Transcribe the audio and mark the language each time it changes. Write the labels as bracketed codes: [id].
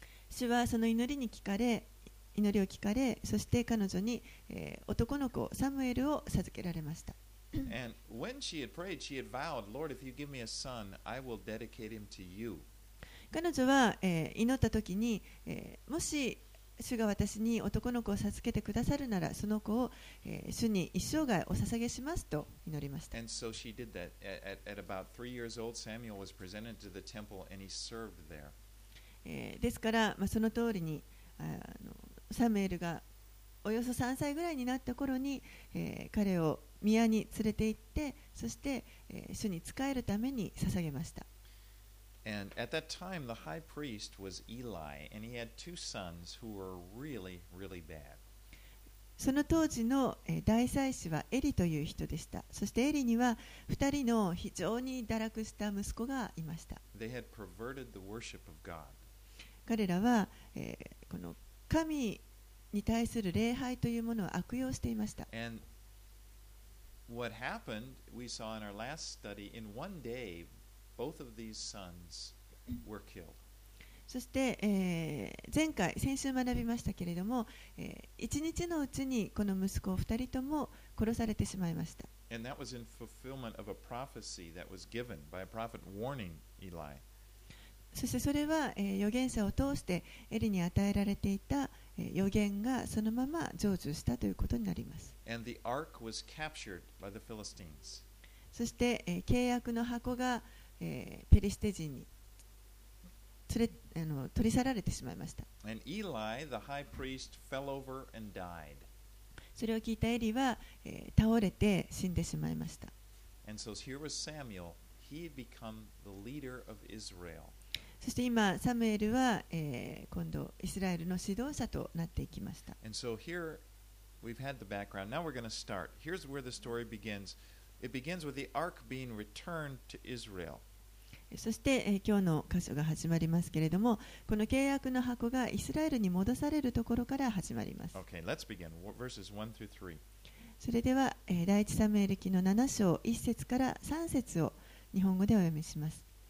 [ja] 主はその祈りに聞かれ、祈りを聞かれ、そして彼女に、男の子サムエルを授けられました。 [en] And when she had prayed, she had vowed, Lord, if you give me a son, I will dedicate him to you. [ja] 彼女は、祈った時に、もし主が私に男の子を授けてくださるなら、その子を、主に一生涯お捧げしますと祈りました。 [en] And so she did that. At about 3 years old, Samuel was presented to the temple and he served there. [ja] ですから、まあ、その通りに、サムエルがおよそ3歳ぐらいになった頃に、彼を宮に連れて行って、そして、主に仕えるために捧げました。 [en] And at that time, the high priest was Eli, and he had two sons who were really, really bad. [ja] その当時の大祭司はエリという人でした。そしてエリには二人の非常に堕落した息子がいました。 [en] They had perverted the worship of God. [ja] 彼らは、この神に対する礼拝というものを悪用していました。 [en] And what happened, we saw in our last study, in one day,Both of these sons were killed. [ja] そして、前回先週学びましたけれども、一日のうちにこの息子を二人とも殺されてしまいました。 [en] And that was in fulfillment of a prophecy that was given by a prophet warning Eli. [ja] そしてそれは、預言者を通してエリに与えられていた、預言がそのまま成就したということになります。 [en] And the ark was captured by the Philistines. [ja] そして、契約の箱がペリシテ人に取り去られてしまいました。 [en] And Eli, the high priest, fell over and died. [ja] それを聞いたエリは、倒れて死んでしまいました。 [en] And so here was Samuel. He had become the leader of Israel. [ja] そして今サムエルは、今度イスラエルの指導者となっていきました。 [en] And so here we've had the background. Now we're going to start. Here's where the story begins. It begins with the ark being returned to Israel. [ja] そして、今日の箇所が始まりますけれども、この契約の箱がイスラエルに戻されるところから始まります。 [en] Okay, let's begin. Verses 1 through 3. [ja] それでは、第一サムエル記の7章1節から3節を日本語でお読みします。